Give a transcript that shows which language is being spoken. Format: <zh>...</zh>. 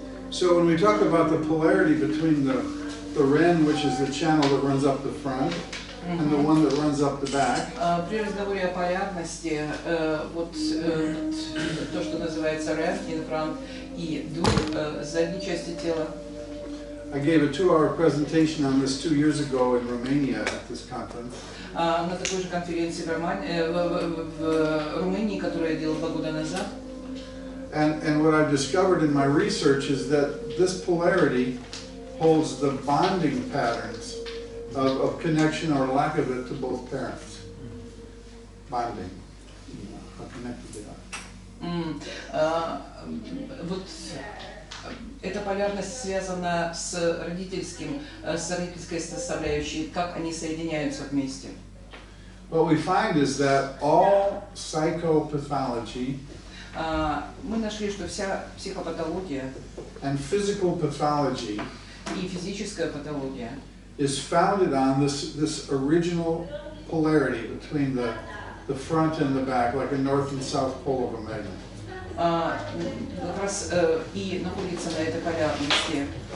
<en>So when we talk about the polarity between the ren, which is the channel that runs up the front, mm-hmm. and the one that runs up the back.</en> <ru>При разговоре о полярности, вот то, что называется ren</ru> <en>in front,</en> <ru>и дух в задней части тела.</ru> <en>I gave a two-hour presentation on this 2 years ago in Romania at this conference.</en> <ru>На такой же конференции в Румынии, которую я делал 2 года назад.</ru> <en>And what I've discovered in my research is that this polarity holds the bonding patterns of connection or lack of it to both parents. Bonding. How connected they are.</en> <ru>Вот эта полярность связана с родительским, с родительской составляющей, как они соединяются вместе.</ru> <en>What we find is that all psychopathology</en> <ru>мы нашли, что вся психопатология</ru> <en>and physical pathology</en> <ru>и физическая патология</ru> <en>is founded on this original polarity between the front and the back, like a north and south pole of a magnet.</en> <ru>Как раз и находится на этой полярности.</ru>